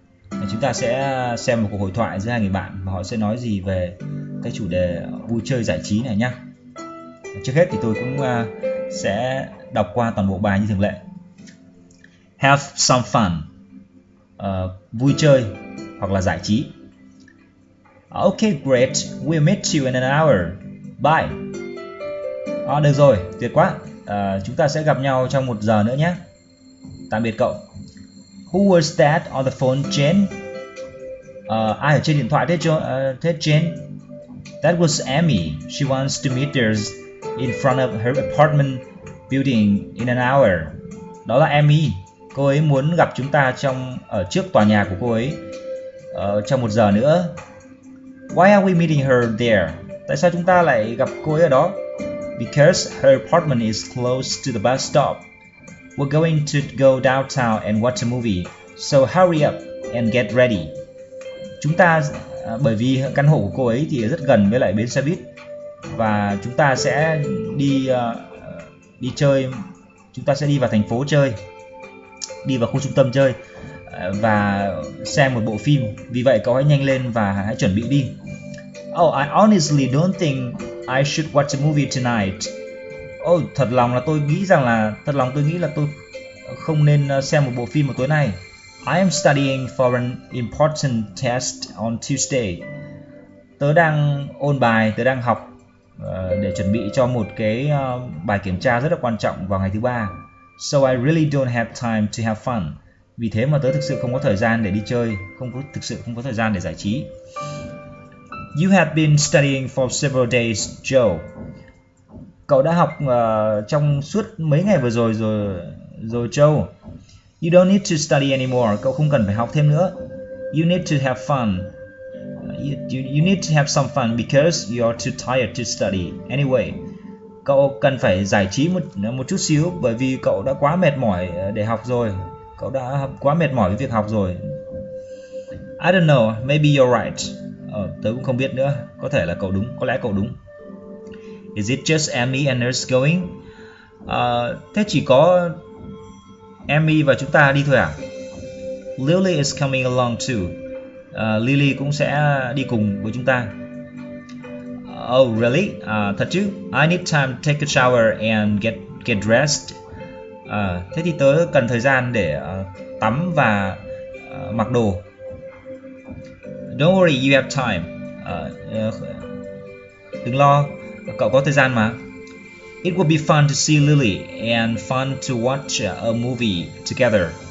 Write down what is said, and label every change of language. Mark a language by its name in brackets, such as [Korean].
[Vietnamese] Chúng ta sẽ xem một cuộc hội thoại giữa hai người bạn và họ sẽ nói gì về cái chủ đề vui chơi, giải trí này nhé. Trước hết thì tôi cũng sẽ đọc qua toàn bộ bài như thường lệ. [English] Have some fun, [Vietnamese] vui chơi hoặc là giải trí. [English] Okay, great, we'll meet you in an hour, bye. [Vietnamese] Được rồi, tuyệt quá, chúng ta sẽ gặp nhau trong một giờ nữa nhé. Tạm biệt cậu. [English] Who was that on the phone, Jane? [Vietnamese] Ai ở trên điện thoại thế Jane? [English] That was Amy, she wants to meet us in front of her apartment building in an hour. [Vietnamese] Đó là Amy. Cô ấy muốn gặp chúng ta ở trước tòa nhà của cô ấy trong một giờ nữa. [English] Why are we meeting her there? [Vietnamese] Tại sao chúng ta lại gặp cô ấy ở đó? [English] Because her apartment is close to the bus stop. We're going to go downtown and watch a movie. So hurry up and get ready. [Vietnamese] Chúng ta bởi vì căn hộ của cô ấy thì rất gần với lại bến xe buýt. Và chúng ta sẽ đi chơi. Chúng ta sẽ đi vào thành phố chơi, đi vào khu trung tâm chơi và xem một bộ phim. Vì vậy cậu hãy nhanh lên và hãy chuẩn bị đi. [English] Oh, I honestly don't think I should watch a movie tonight. [Vietnamese] Thật lòng tôi nghĩ là tôi không nên xem một bộ phim vào tối nay. [English] I am studying for an important test on Tuesday. [Vietnamese] Tớ đang ôn bài, tớ đang học để chuẩn bị cho một cái bài kiểm tra rất là quan trọng vào ngày thứ ba. [English] So I really don't have time to have fun. [Vietnamese] Vì thế mà tớ thực sự không có thời gian để đi chơi, không có thời gian để giải trí. [English] You have been studying for several days, Joe. [Vietnamese] Cậu đã học trong suốt mấy ngày vừa rồi Joe. [English] You don't need to study anymore. [Vietnamese] Cậu không cần phải học thêm nữa. [English] You need to have fun. You need to have some fun because you're too tired to study anyway. [Vietnamese] Cậu cần phải giải trí một chút xíu bởi vì cậu đã quá mệt mỏi để học rồi. Cậu đã quá mệt mỏi với việc học rồi. [English] I don't know, maybe you're right. [Vietnamese] Tớ cũng không biết nữa. Có thể là cậu đúng, có lẽ cậu đúng. [English] Is it just Amy and us going? [Vietnamese] Thế chỉ có Amy và chúng ta đi thôi à? [English] Lily is coming along too. [Vietnamese] Lily cũng sẽ đi cùng với chúng ta. [English] Oh really? [Vietnamese] Thật chứ? [English] I need time to take a shower and get dressed. [Vietnamese] Thế thì tớ cần thời gian để tắm và mặc đồ. [English] Don't worry, you have time. [Vietnamese] Đừng lo, cậu có thời gian mà. [English] It will be fun to see Lily and fun to watch a movie together.